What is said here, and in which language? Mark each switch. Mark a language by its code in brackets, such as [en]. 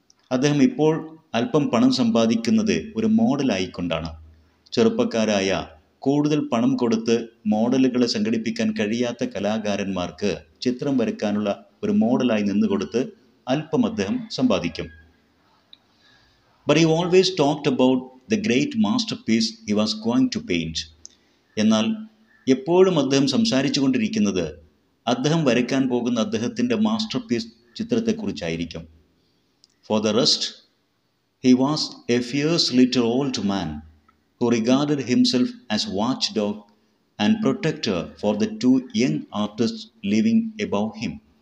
[ml] അദ്ദേഹം ഇപ്പോൾ അല്പം പണം സമ്പാദിക്കുന്നത് ഒരു മോഡലായിക്കൊണ്ടാണ്. ചെറുപ്പക്കാരായ കൂടുതൽ പണം കൊടുത്ത് മോഡലുകളെ സംഘടിപ്പിക്കാൻ കഴിയാത്ത കലാകാരന്മാർക്ക് ചിത്രം വരയ്ക്കാനുള്ള ഒരു മോഡലായി നിന്ന് കൊടുത്ത് അല്പം അദ്ദേഹം സമ്പാദിക്കും. [en] But he always talked about the great masterpiece he was going to paint. [ml] എന്നാൽ എപ്പോഴും അദ്ദേഹം സംസാരിച്ചുകൊണ്ടിരിക്കുന്നത് അദ്ദേഹം വരയ്ക്കാൻ പോകുന്ന അദ്ദേഹത്തിൻ്റെ master piece ചിത്രത്തെക്കുറിച്ചായിരിക്കും. [en] For the rest he was a fierce little old man who regarded himself as watch dog and protector for the two young artist living above him.